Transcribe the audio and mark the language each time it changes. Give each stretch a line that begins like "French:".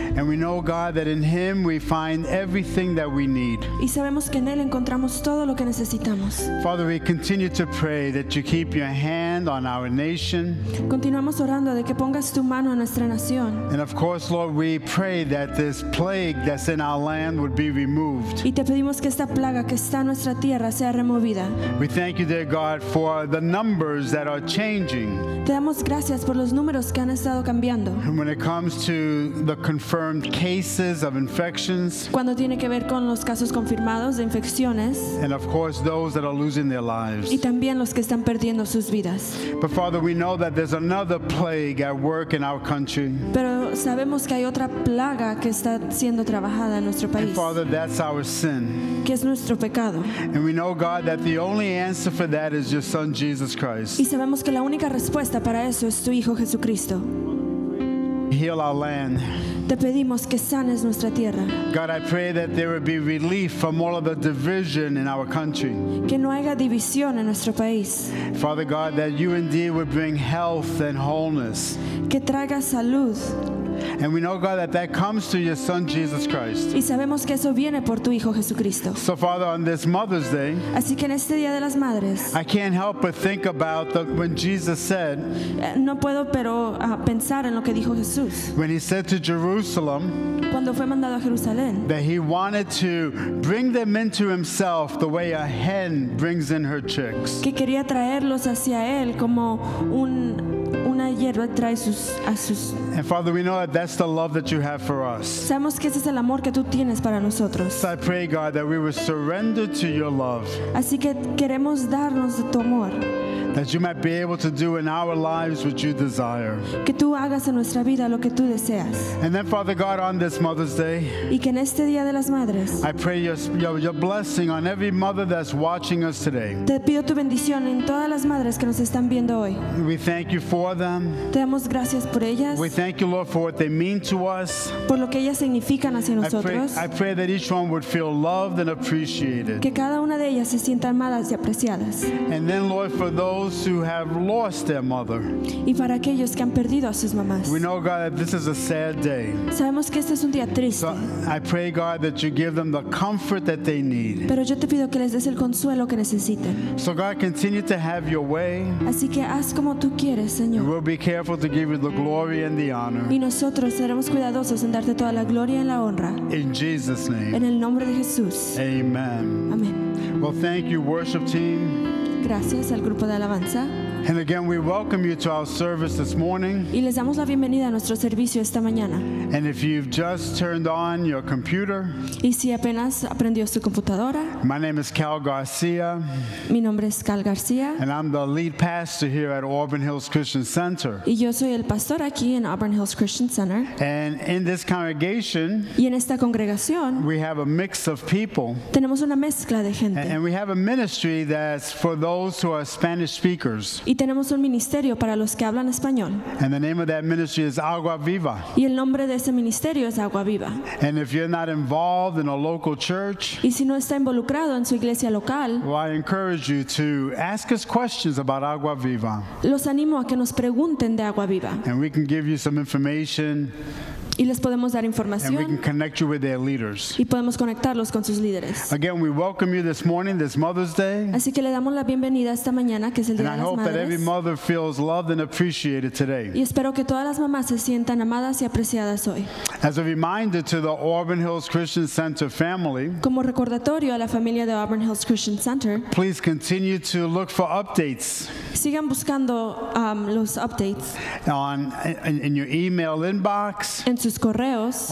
English: And we know, God, that in Him we find everything that we need.
Spanish: Y sabemos que en él encontramos todo lo que necesitamos.
English: Father, we continue to pray that you keep your hand on our nation.
Spanish: Continuamos orando de que pongas tu mano en nuestra nación.
English: And of course, Lord, we pray that this plague that's in our land would be removed.
Spanish: Y te pedimos que esta plaga que está en nuestra tierra sea removida.
English: We thank you, dear God, for the numbers that are changing.
Spanish: Te damos gracias por los números que han estado cambiando.
English: When it comes to the confirmed cases of infections,
Spanish: cuando tiene que ver con los casos confirmados de infecciones,
English: and of course those that are losing their lives,
Spanish: y también los que están perdiendo sus vidas.
English: But Father, we know that there's another plague at work in our country.
Spanish: Pero sabemos que hay otra plaga que está siendo trabajada en nuestro país.
English: And Father, that's our sin,
Spanish: que es nuestro pecado.
English: And we know, God, that the only answer for that is your Son Jesus Christ.
Spanish: Y sabemos que la única respuesta para eso es tu hijo Jesucristo.
English: Heal our land.
Spanish: Te pedimos que sanes nuestra tierra.
English: God, I pray that there would be relief from all of the division in our country.
Spanish: Que no haya división en nuestro país.
English: Father God, that you indeed would bring health and wholeness.
Spanish: Que traiga salud.
English: And we know, God, that that comes through your Son Jesus Christ.
Spanish: Y sabemos que eso viene por tu hijo Jesucristo.
English: So Father, on this Mother's Day,
Spanish: así que en este día de las madres,
English: I can't help but think about when Jesus said,
Spanish: no puedo pero pensar en lo que dijo Jesús.
English: When he said to Jerusalem,
Spanish: cuando fue mandado a Jerusalén,
English: that he wanted to bring them into himself the way a hen brings in her chicks.
Spanish: Que quería traerlos hacia él como un una hierba trae sus a sus.
English: And Father, we know that that's the love that you have for us.
Spanish: Sabemos que ese es el amor que tú tienes para nosotros.
English: So I pray, God, that we will surrender to your love.
Spanish: Así que queremos darnos de tu amor.
English: That you might be able to do in our lives what you desire.
Spanish: Que tú hagas en nuestra vida lo que tú deseas.
English: And then, Father God, on this Mother's Day,
Spanish: y que en este día de las madres,
English: I pray your blessing on every mother that's watching us today.
Spanish: Te pido tu bendición en todas las madres que nos están viendo hoy.
English: We thank you for them.
Spanish: Te damos gracias por ellas.
English: We thank you, Lord, for what they mean to us.
Spanish: Por lo que ellas significan hacia nosotros.
English: I pray that each one would feel loved and appreciated.
Spanish: Que cada una de ellas se sientan amadas y apreciadas.
English: And then, Lord, for those who have lost their mother.
Spanish: Y para aquellos que han perdido a sus mamás.
English: We know, God, that this is a sad day.
Spanish: Sabemos que este es un día triste.
English: So I pray, God, that you give them the comfort that they need.
Spanish: Pero yo te pido que les des el consuelo que necesiten.
English: So God, continue to have your way.
Spanish: Así que haz como tú quieres, Señor.
English: We'll be careful to give you the glory and the honor.
Spanish: Y nosotros seremos cuidadosos en darte toda la gloria y la honra.
English: In Jesus' name.
Spanish: En el nombre de Jesús.
English: Amen.
Spanish: Amen.
English: Well, thank you, worship team.
Spanish: Gracias al grupo de alabanza.
English: And again, we welcome you to our service this morning.
Spanish: Y les damos la bienvenida a nuestro servicio esta mañana.
English: And if you've just turned on your computer,
Spanish: y si apenas aprendió su computadora,
English: my name is Cal Garcia.
Spanish: Mi nombre es Cal Garcia.
English: And I'm the lead pastor here at Auburn Hills Christian Center.
Spanish: Y yo soy el pastor aquí en Auburn Hills Christian Center.
English: And in this congregation,
Spanish: y en esta congregación,
English: we have a mix of people.
Spanish: Tenemos una mezcla de gente.
English: And we have a ministry that's for those who are Spanish speakers.
Spanish: Y tenemos un ministerio para los que hablan español.
English: And the name of that ministry is Agua Viva.
Spanish: Y el nombre de ese ministerio es Agua Viva.
English: And if you're not involved in a local church,
Spanish: y si no está involucrado en su iglesia local,
English: well, I encourage you to ask us questions about Agua Viva.
Spanish: Los animo a que nos pregunten de Agua Viva.
English: And we can give you some information.
Spanish: Y les podemos dar información.
English: And we can connect you with their leaders.
Spanish: Y podemos conectarlos con sus líderes.
English: Again, we welcome you this morning, this Mother's Day.
Spanish: Así que le damos la bienvenida esta mañana, que es el día de las madres.
English: And I hope that every mother feels loved and appreciated today.
Spanish: Y espero que todas las mamás se sientan amadas y apreciadas hoy.
English: As a reminder to the Auburn Hills Christian Center family,
Spanish: como recordatorio a la familia de Auburn Hills Christian Center,
English: please continue to look for updates.
Spanish: Sigan buscando los updates.
English: In your email inbox.
Spanish: Sus correos,